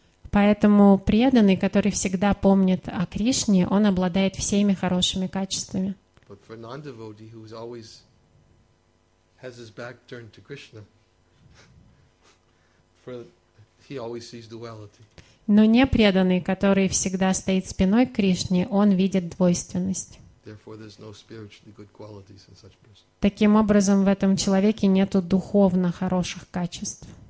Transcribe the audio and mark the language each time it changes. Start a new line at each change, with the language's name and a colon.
Russian: Поэтому преданный, который всегда помнит о Кришне, он обладает всеми хорошими качествами.
English: But for non-devotee who is always has his back turned to Krishna, for he always sees duality.
Russian: Но не преданный, который всегда стоит спиной к Кришне, он видит двойственность.
English: Therefore, there's no spiritually good qualities in such person.
Russian: Таким образом, в этом человеке нету духовно хороших качеств.